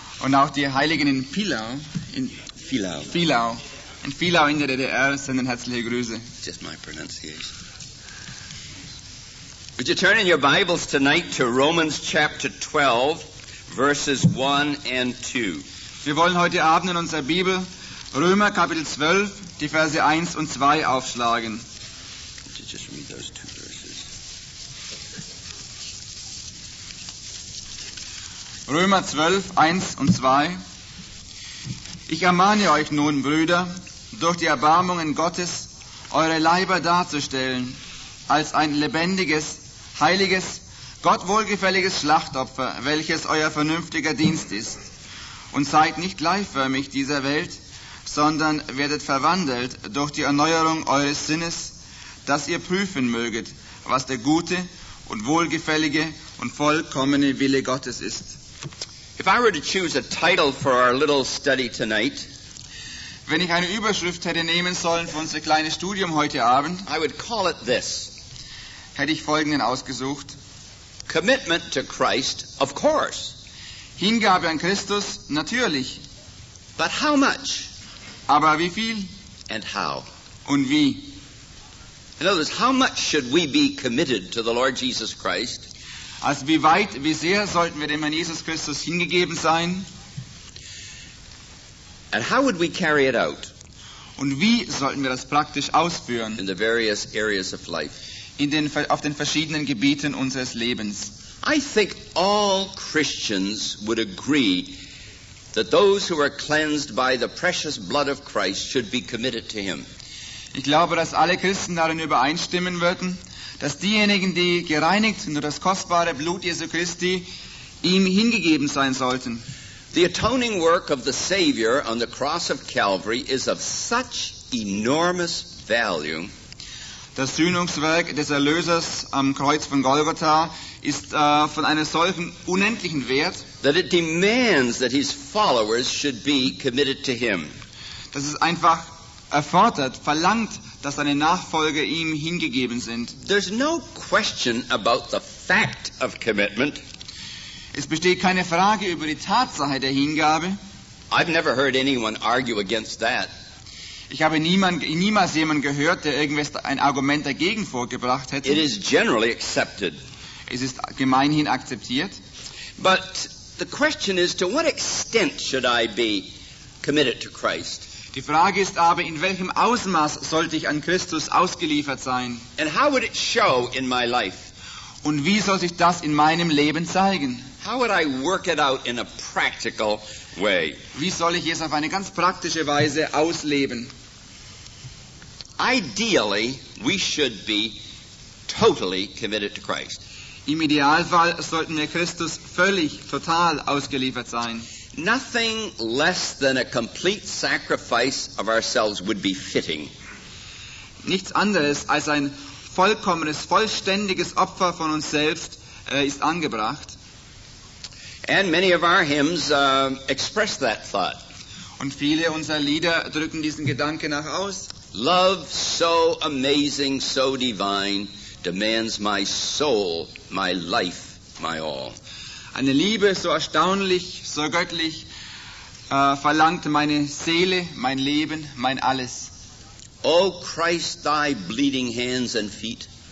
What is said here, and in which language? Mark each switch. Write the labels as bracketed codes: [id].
[de] Und auch die Heiligen in Philau, in Philau in der DDR senden herzliche Grüße. [en] Just my pronunciation. Would you turn in your Bibles tonight to Romans chapter 12, verses 1 and 2? [de] Wir wollen heute Abend in unserer Bibel Römer Kapitel 12, die Verse 1 und 2 aufschlagen. [en] Just read those two verses. [de] Römer 12, 1 und 2. Ich ermahne euch nun, Brüder, durch die Erbarmungen Gottes eure Leiber darzustellen als ein lebendiges, heiliges, Gott wohlgefälliges Schlachtopfer, welches euer vernünftiger Dienst ist. Und seid nicht gleichförmig dieser Welt, sondern werdet verwandelt durch die Erneuerung eures Sinnes, dass ihr prüfen möget, was der gute und wohlgefällige und vollkommene Wille Gottes ist. [en] If I were to choose a title for our little study tonight, [de] wenn ich eine Überschrift hätte nehmen sollen für unser kleines Studium heute Abend, [en] I would call it this. [de] Hätte ich folgenden ausgesucht. [en] Commitment to Christ, of course. [de] Hingabe an Christus, natürlich. [en] But how much? [de] Aber wie viel? [en] And how? [de] Und wie? [en] In other words, how much should we be committed to the Lord Jesus Christ? [de] Also wie weit, wie sehr sollten wir dem Herrn Jesus Christus hingegeben sein? [en] And how would we carry it out? [de] Und wie sollten wir das praktisch ausführen? [en] In the various areas of life. [de] Auf den verschiedenen Gebieten unseres Lebens. [en] I think all Christians would agree that those who are cleansed by the precious blood of Christ should be committed to Him. [de] Ich glaube, dass alle Christen darin übereinstimmen würden, dass diejenigen, die gereinigt sind durch das kostbare Blut Jesu Christi, ihm hingegeben sein sollten. [en] The atoning work of the Savior on the cross of Calvary is of such enormous value. [de] Das Sühnungswerk des Erlösers am Kreuz von Golgatha ist von einem solchen unendlichen Wert, [en] that it demands that his followers should be committed to him. [de] Dass es einfach erfordert, verlangt, dass seine Nachfolger ihm hingegeben sind. [en] There's no question about the fact of commitment. [de] Es besteht keine Frage über die Tatsache der Hingabe. [en] I've never heard anyone argue against that. [de] Ich habe niemals jemanden gehört, der irgendwas ein Argument dagegen vorgebracht hätte. [en] It is generally accepted. [de] Es ist gemeinhin akzeptiert. [en] But the question is, to what extent should I be committed to Christ? [de] Die Frage ist aber, in welchem Ausmaß sollte ich an Christus ausgeliefert sein? [en] And how would it show in my life? [de] Und wie soll sich das in meinem Leben zeigen? [en] How would I work it out in a practical way? [de] Wie soll ich es auf eine ganz praktische Weise ausleben? [en] Ideally, we should be totally committed to Christ. [de] Im Idealfall sollten wir Christus völlig, total ausgeliefert sein. [en] Nothing less than a complete sacrifice of ourselves would be fitting. [de] Nichts anderes als ein vollkommenes, vollständiges Opfer von uns selbst ist angebracht. [en] And many of our hymns express that thought. [de] Und viele unserer Lieder drücken diesen Gedanken nach aus. [en] Love so amazing, so divine, demands my soul, my life, my all. [de] Eine Liebe so erstaunlich, so göttlich, verlangt meine Seele, mein Leben, mein alles. [en] O Christ, thy bleeding hands and feet.